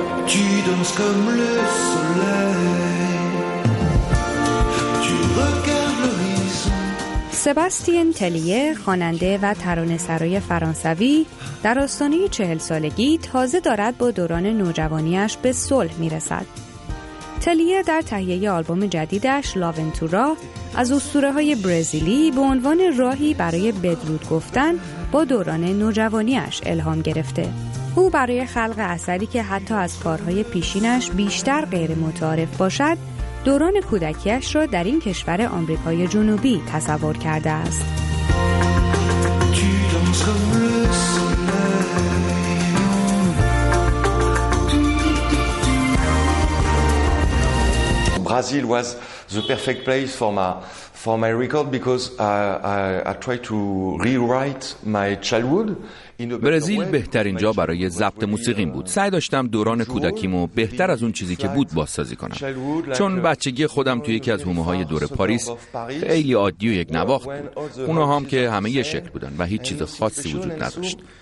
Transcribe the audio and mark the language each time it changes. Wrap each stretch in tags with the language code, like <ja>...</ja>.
<fr>Tu danses comme le soleil, tu regardes l'horizon.</fr> <fa>سباستین تلیه، خواننده و ترانه‌سرای فرانسوی، در آستانه 40 سالگی تازه دارد با دوران نوجوانیش به صلح میرسد. تلیه در تهیه آلبوم جدیدش لاونتورا از اسطوره‌های برزیلی به عنوان راهی برای بدرود گفتن با دوران نوجوانیش الهام گرفته. او برای خلق اثری که حتی از کارهای پیشینش بیشتر غیر متعارف باشد، دوران کودکیش را در این کشور آمریکای جنوبی تصور کرده است. موسیقی</fa> <en>Brazil was the perfect place for my record because I tried to rewrite my childhood.</en> <fa>برزیل بهترین جا برای ضبط موسیقیم بود. سعی داشتم دوران کودکیمو بهتر از اون چیزی که بود بازسازی کنم. چون بچگی خودم توی یکی از حومه‌های دور پاریس خیلی عادی و یک نواخت بود. اونها هم که همه یه شکل بودن و هیچ چیز خاصی وجود نداشت.</fa>